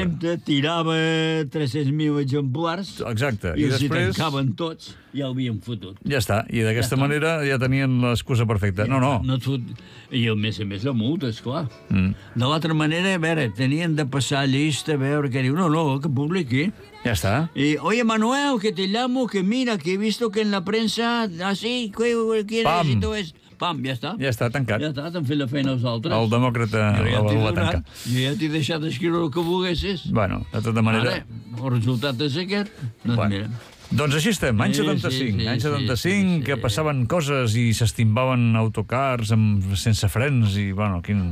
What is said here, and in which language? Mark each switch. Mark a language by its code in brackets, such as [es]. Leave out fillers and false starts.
[ca] L'impremta tirava 300.000 exemplars... Exacte. I els després... tancaven tots, ja ho havien fotut. Ja està, i d'aquesta ja manera tot. Ja tenien l'excusa perfecta. No. I a més de multes, clar. De l'altra manera, a veure, tenien de passar llista, a veure què diu, no, que publiqui. Ja està. [es] I, oye, Manuel, que te llamo, que mira, que he visto que en la premsa, así, que quieres pam. Y tú es... Pam, [ca] ja està. Ja està, tancat. Ja està, t'han fet la feina els altres. El demòcrata ja la va tancar. Jo ja t'he deixat escriure el que volguessis. Bueno, de tota manera... Ara, el resultat és aquest. Doncs bueno. Mira... Doncs així estem, any 75, sí, sí, any 75, sí, sí, sí. Que passaven coses i s'estimbaven autocars amb, sense frens i, bueno, quin...